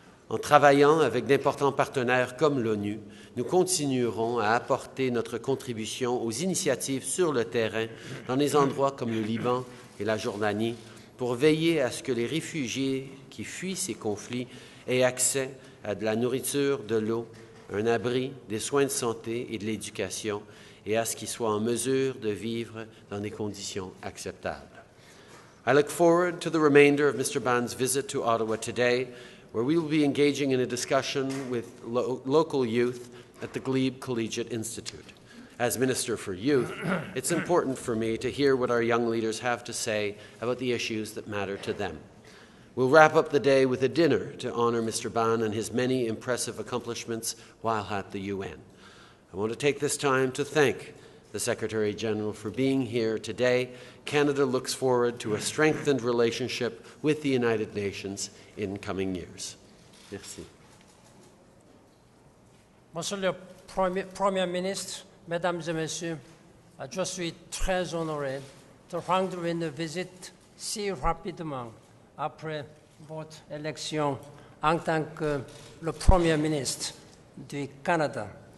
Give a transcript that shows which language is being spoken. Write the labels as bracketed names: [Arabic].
[French] En travaillant avec d'importants partenaires comme l'ONU, nous continuerons à apporter notre contribution aux initiatives sur le terrain dans des endroits comme le Liban et la Jordanie pour veiller à ce que les réfugiés qui fuient ces conflits aient accès à de la nourriture, de l'eau, un abri, des soins de santé et de l'éducation et à ce qu'ils soient en mesure de vivre dans des conditions acceptables. [English] I look forward to the remainder of Mr. Ban's visit to Ottawa today, where we will be engaging in a discussion with local youth at the Glebe Collegiate Institute. As Minister for Youth, it's important for me to hear what our young leaders have to say about the issues that matter to them. We'll wrap up the day with a dinner to honour Mr. Ban and his many impressive accomplishments while at the UN. I want to take this time to thank the Secretary General for being here today. Canada looks forward to a strengthened relationship with the United Nations in coming years. [French] Merci. Monsieur le Premier Ministre, Mesdames et Messieurs, je suis très honoré de rendre une visite si rapidement après votre élection en tant que le Premier Ministre du Canada.